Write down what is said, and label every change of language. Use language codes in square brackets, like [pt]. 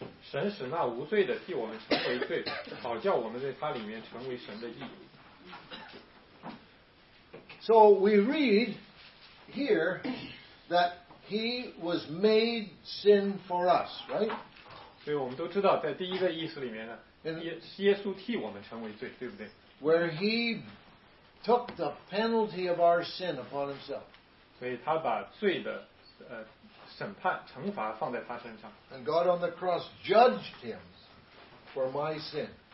[zh] 神使那无罪的替我们成为罪，好叫我们在他里面成为神的义。 [en] So we read here that he was made sin for us, right? [zh] 所以我们都知道，在第一个意思里面呢，耶稣替我们成为罪，对不对？ [en] Where he took the penalty of our sin upon himself. [zh] 所以他把罪的审判惩罚放在他身上。 [en] And God on the cross judged him for my sin.